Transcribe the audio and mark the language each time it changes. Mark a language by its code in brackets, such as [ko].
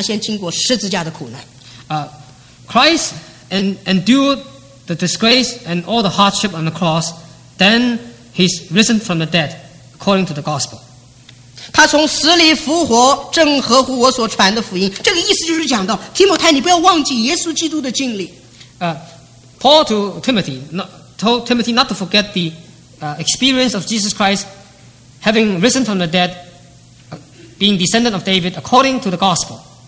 [zh] 你要纪念耶稣基督乃是大卫的后裔，他从死里复活，他先经过最大的痛苦，他先经过羞辱，他先经过十字架的苦难。 [en] Christ endured the disgrace and all the hardship on the cross, then he's risen from the dead, according to the gospel. [zh] 他从死里复活，正合乎我所传的福音。这个意思就是讲到，提摩太，你不要忘记耶稣基督的经历。 [en] Paul to Timothy, told Timothy not to forget the experience of Jesus Christ having risen from the dead, being descendant of David according to the gospel.